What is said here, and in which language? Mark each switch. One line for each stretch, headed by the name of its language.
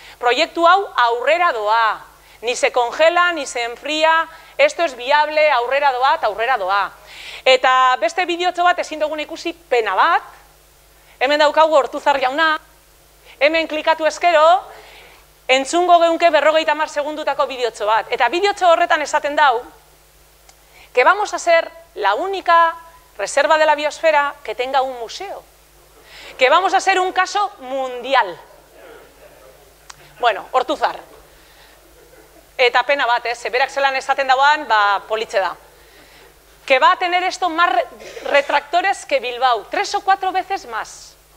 Basque: Proiektu hau aurrera doa,
Spanish: ni se congela, ni se enfria, esto es viable,
Basque: aurrera doa, eta aurrera doa. Eta beste bideotxo bat ezin dugun ikusi pena bat, hemen daukagu Ortuzar jauna, hemen klikatu eskero, entzungo geunke 50 segundutako bideotxo bat. Eta bideotxo horretan esaten dau,
Spanish: que vamos a ser la única reserva de la biosfera que tenga un museo. Que vamos a ser un caso mundial. Bueno, Ortuzar.
Basque: Eta pena bat, se berak zelan esaten dagoan, ba, politxe da.
Spanish: Que va a tener esto más retractores que Bilbao, 3 o 4 veces más.